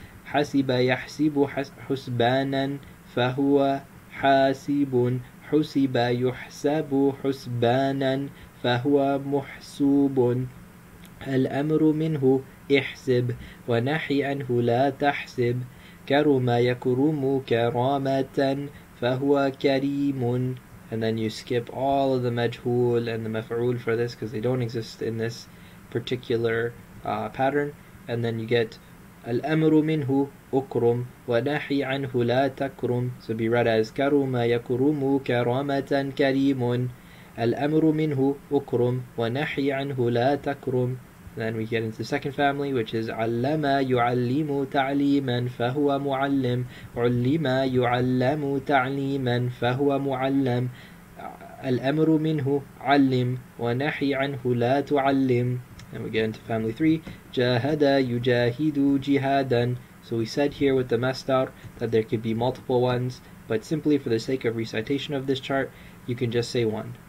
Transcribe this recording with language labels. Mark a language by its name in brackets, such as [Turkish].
[Arabic] حسب يحسب حسبانا فهو حاسب حسب يحسب حسبانا فهو محسوب الأمر منه احسب ونحي عنه لا تحسب كرم يكرم كرامة فهو كريم. [English] And then you skip all of the majhul and the maf'ul for this because they don't exist in this particular pattern, and then you get [Arabic] الأمر منه أكرم ونهي عنه لا تكرم. [English] So be read as [Arabic] كرم يكرم كرامة كريم. الأمر منه أكرم ونهي عنه لا تكرم. [English] Then we get into the second family, which is [Arabic] علم يعلم تعليما فهو معلم. علم يعلم تعليما فهو معلم. الأمر منه علم ونهي عنه لا تعلم. [English] And we get into family three. [Arabic] Jahada yujahidu jihadan. [English] So we said here with the masdar that there could be multiple ones, but simply for the sake of recitation of this chart, you can just say one.